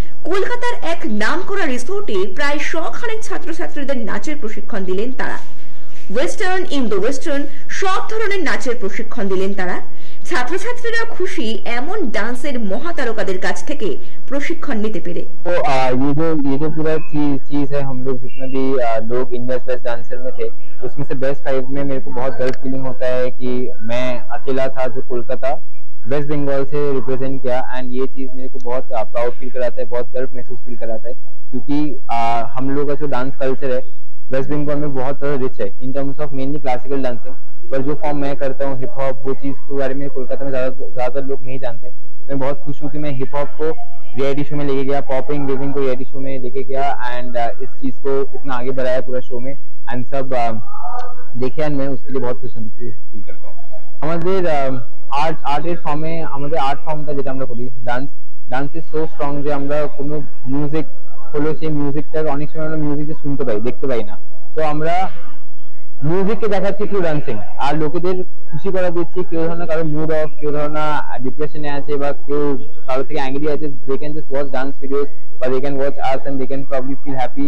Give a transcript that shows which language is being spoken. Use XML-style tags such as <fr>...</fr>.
<bn>কলকাতার এক নামকরা রিসোর্টে প্রায় শখানেক ছাত্রছাত্রীদের নাচের প্রশিক্ষণ দিলেন তারা। ওয়েস্টার্ন, ইন্দো ওয়েস্টার্ন সব ধরনের নাচের প্রশিক্ষণ দিলেন তারা। ছাত্রছাত্রীরা খুশি এমন ডান্সের মহাতারকাদের কাছ থেকে প্রশিক্ষণ নিতে পেরে।</bn> <hi>ও ये जो पूरा चीज है, हम लोग जितना भी लोग इंडियाज बेस्ट डांसर में थे उसमें से बेस्ट फाइव में मेरे को बहुत गर्व फीलिंग होता है कि मैं अकेला था जो कोलकाता वेस्ट बंगाल से रिप्रेजेंट किया। एंड ये चीज मेरे को बहुत प्राउड फील कराता है, बहुत गर्व महसूस फील कराता है, क्योंकि हम लोग का जो डांस कल्चर है वेस्ट बंगाल में बहुत रिच है</hi> <en>In terms of mainly classical dancing.</en> <hi>पर जो फॉर्म मैं करता हूँ हिप हॉप, वो चीज के बारे में कोलकाता में ज्यादा लोग नहीं जानते। मैं बहुत खुश हूँ कि मैं हिप हॉप को रियलिटी शो में लेके गया, पॉपिंग लिविंग को रियलिटी शो में लेके गया एंड इस चीज को इतना आगे बढ़ाया पूरा शो में एंड सब देखे एंड मैं उसके लिए बहुत खुश हूँ, फील करता हूँ। हमारे</hi> <bn>আর্ট আর্টের ফর্মে আমাদের আর্ট ফর্মটা যেটা আমরা করি dance,</bn> <en>dance is so strong</en> <bn>যে আমরা কোনো মিউজিক হলো সেই মিউজিকটার অনেক সময় আমরা মিউজিক শুনতে পাই, দেখতে পাই না। তো আমরা মিউজিককে দেখাচ্ছি থ্রু ডান্সিং, আর লোকেদের খুশি করা দিচ্ছি কেউ ধরনের কারো মুড অফ, কেউ ধরনের ডিপ্রেশনে আছে বা কেউ কারোর থেকে অ্যাংগ্রি আছে,</bn> <en>they can just watch dance videos</en> <bn>বা</bn> <en>They can watch us and they can probably feel happy.</en>